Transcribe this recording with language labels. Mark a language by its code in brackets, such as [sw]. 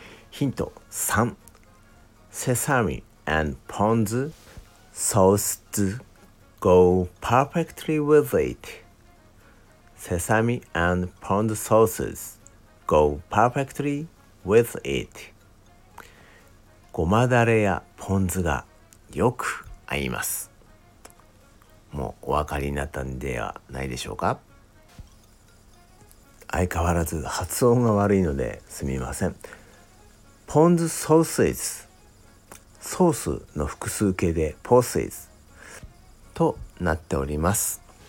[en] ヒント3、セサミ and ポン酢ソースと go perfectly with it. セサミ and ポン酢ソースと go perfectly with it. [ja] ごまだれやポン酢がよく合います。もうお分かりになったんではないでしょうか。相変わらず発音が悪いのですみません。ポン酢ソースズ、ソースの複数形でポーセイズとなっております。